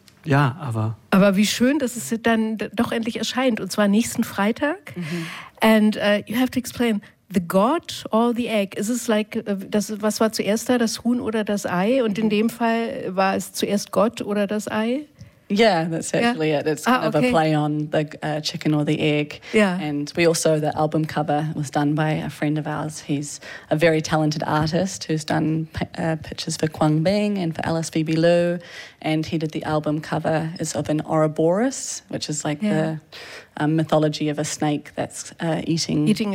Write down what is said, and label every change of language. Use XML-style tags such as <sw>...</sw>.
<de>Aber wie schön, dass es dann doch endlich erscheint, und zwar nächsten Freitag. Mhm.</de> <en>And you have to explain, the God or the Egg? Is it like,</en> <de>was war zuerst da, das Huhn oder das Ei? Und in dem Fall war es zuerst Gott oder das Ei?</de> <en>Yeah, that's actually it. It's kind of a play on the chicken or the egg. Yeah. And we also, the album cover was done by a friend of ours. He's a very talented artist who's done pictures for Quang Bing and for Alice Phoebe Liu. And he did the album cover is of an Ouroboros, which is like the mythology of a snake that's eating</en>